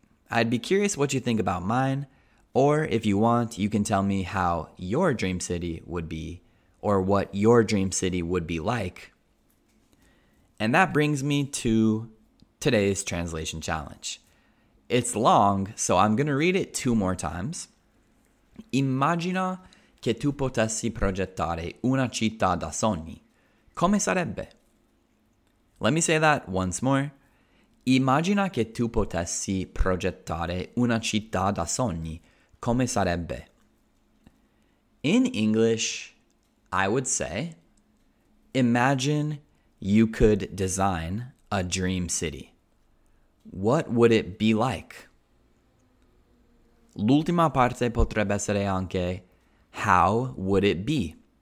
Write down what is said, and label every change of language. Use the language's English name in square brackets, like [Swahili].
[English] I'd be curious what you think about mine, or if you want, you can tell me how your dream city would be, or what your dream city would be like. And that brings me to today's translation challenge. It's long, so I'm going to read it two more times. [Italian] Immagina che tu potessi progettare una città da sogni. Come sarebbe? [English] Let me say that once more. [Italian] Immagina che tu potessi progettare una città da sogni. Come sarebbe? [English] In English, I would say, imagine you could design a dream city. What would it be like? [Italian] L'ultima parte potrebbe essere anche, [English] how would it be?